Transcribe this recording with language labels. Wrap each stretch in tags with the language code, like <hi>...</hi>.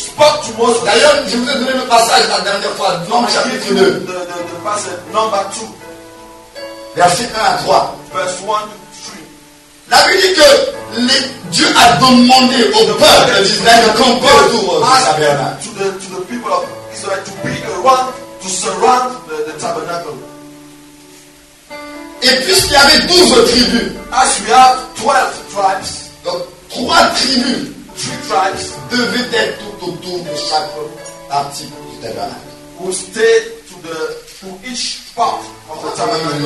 <en>To Moses.</en> <fr>D'ailleurs, je vous ai donné le passage la dernière fois, Nombre chapitre 2.</fr> <en>The passage, number 2.</en> <fr>Verset 1 à 3.</fr> <en>Verse 1 to 3.</en> <fr>La Bible dit que Dieu a demandé au peuple d'Israël de camper autour du tabernacle.</fr> <en>To the people of Israel to be around, to surround the tabernacle.</en> <fr>Et puisqu'il y avait 12 tribus.</fr> <en>As we have 12 tribes.</en> <fr>Donc, 3 tribus.</fr> <en>Three tribes</en> <fr>devaient être tout autour de chaque partie du tabernacle.</fr> <en>Who stayed to each part of the tabernacle.</en>